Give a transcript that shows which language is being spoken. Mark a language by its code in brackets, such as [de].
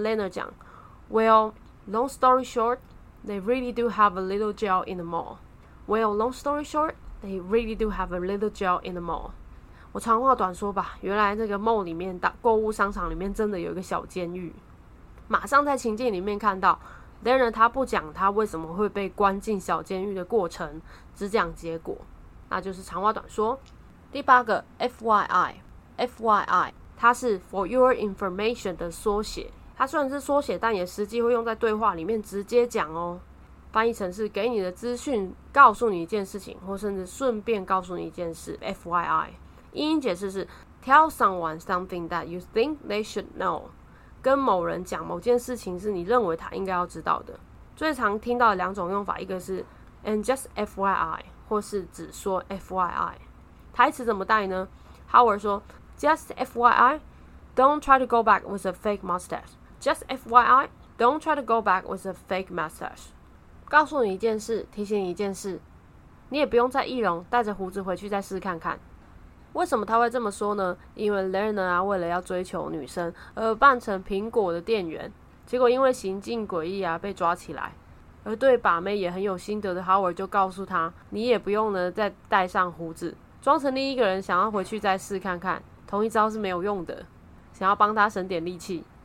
[en] Lena 讲 Well, long story short, they really do have a little gel in the mall. Well, long story short, they really do have a little gel in the mall. [zh] 我长话短说吧，原来那个 mall 里面，购物商场里面真的有一个小监狱。马上在情境里面看到Lena 他不讲他为什么会被关进小监狱的过程，只讲结果，那就是长话短说。第八个 FYI 它是 For Your Information 的缩写，它虽然是缩写，但也实际会用在对话里面直接讲哦。翻译成是给你的资讯，告诉你一件事情，或甚至顺便告诉你一件事。 FYI 英英解释是 [en] Tell someone something that you think they should know. [zh] 跟某人讲某件事情是你认为他应该要知道的。最常听到的两种用法，一个是 [en] And just FYI， [zh] 或是只说 FYI。台词怎么带呢？ [en] Howard 说 Just FYI, don't try to go back with a fake mustache. Just FYI, don't try to go back with a fake mustache. [zh] 告诉你一件事，提醒你一件事，你也不用再易容，带着胡子回去再试看看。为什么他会这么说呢？因为 Learner 啊，为了要追求女生而扮成苹果的店员，结果因为行径诡异啊被抓起来。而对把妹也很有心得的 Howard 就告诉他，你也不用呢再戴上胡子，装成另一个人想要回去再试看看，同一招是没有用的，想要帮他省点力气。